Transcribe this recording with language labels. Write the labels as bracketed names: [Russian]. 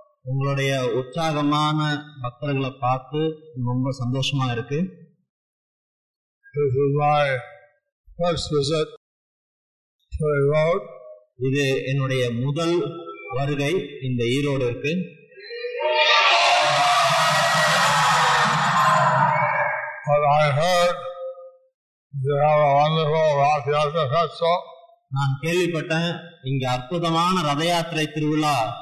[Tamil] உங்களுடைய உற்சாகமான பக்தர்களை பார்த்து ரொம்ப சந்தோஷமா இருக்கு. [English] This is my first visit to Erode. [Tamil] இது என்னுடைய முதல் வருகை இந்த ஈரோடு இருக்கு. [English] But I heard you have a wonderful Rath Yatra Festival. [Tamil] நான் கேள்விப்பட்டேன் இங்க அற்புதமான ரத யாத்திரை திருவிழா